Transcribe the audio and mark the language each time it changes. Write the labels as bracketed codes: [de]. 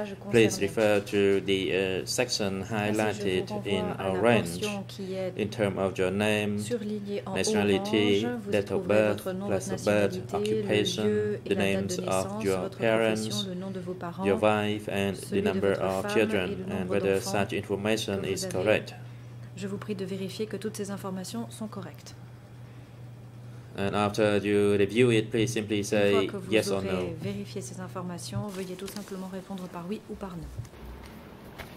[en] Please refer to the section highlighted in orange in terms of your name, nationality, date of birth, place of birth, occupation, the names of your parents, your wife, and the number of children, and whether such information is correct. [fr] Je vous prie de vérifier que toutes ces informations sont correctes. [en] And after you review it, please simply say yes or no. [fr] Vérifier ces informations, veuillez tout simplement répondre par oui ou par non.